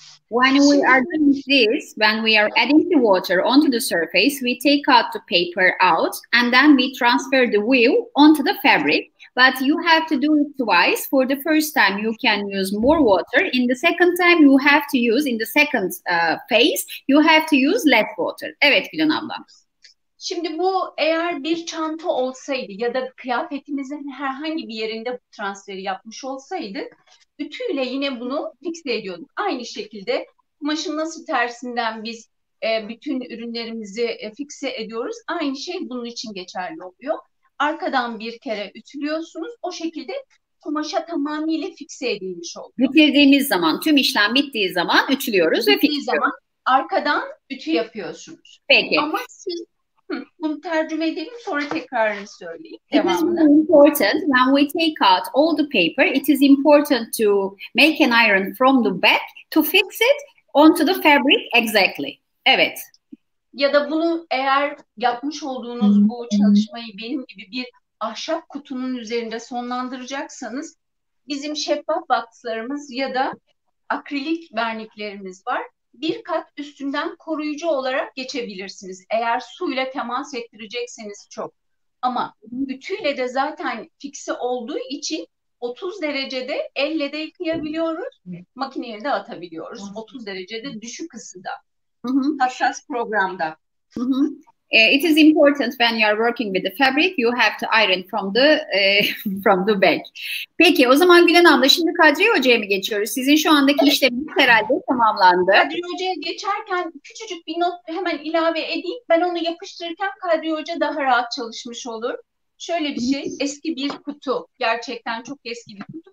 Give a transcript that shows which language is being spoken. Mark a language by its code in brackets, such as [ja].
[en] When we are doing this, when we are adding the water onto the surface, we take out the paper out and then we transfer the wheel onto the fabric. But you have to do it twice. For the first time, you can use more water. In the second time, you have to use, in the second phase, you have to use less water. [tr] Evet, Gülen abla. Şimdi bu eğer bir çanta olsaydı ya da kıyafetimizin herhangi bir yerinde bu transferi yapmış olsaydı ütüyle yine bunu fikse ediyorduk. Aynı şekilde kumaşın nasıl tersinden biz bütün ürünlerimizi fikse ediyoruz. Aynı şey bunun için geçerli oluyor. Arkadan bir kere ütülüyorsunuz. O şekilde kumaşa tamamıyla fikse edilmiş oluyor. Bitirdiğimiz zaman, tüm işlem bittiği zaman ütülüyoruz ve fikse zaman arkadan ütü yapıyorsunuz. Peki. Ama siz bunu tercüme edelim, sonra tekrarını söyleyeyim. [en] It is really important when we take out all the paper, it is important to make an iron from the back to fix it onto the fabric exactly. [tr] Evet. Ya da bunu eğer yapmış olduğunuz bu çalışmayı benim gibi bir ahşap kutunun üzerinde sonlandıracaksanız bizim şeffaf box'larımız ya da akrilik verniklerimiz var. Bir kat üstünden koruyucu olarak geçebilirsiniz. Eğer suyla temas ettirecekseniz çok. Ama ütüyle de zaten fikse olduğu için 30 derecede elle de yıkayabiliyoruz. Makineye de atabiliyoruz. 30 derecede düşük ısıda. Hassas programda. [en] It is important when you are working with the fabric, you have to iron from the from the back. [tr] Peki, o zaman Gülen abla, şimdi Kadri Hoca'ya mı geçiyoruz? Sizin şu andaki işleminiz herhalde tamamlandı. Kadri Hoca'ya geçerken küçücük bir not hemen ilave edeyim. Ben onu yapıştırırken Kadri Hoca daha rahat çalışmış olur. Şöyle bir şey, eski bir kutu, gerçekten çok eski bir kutu.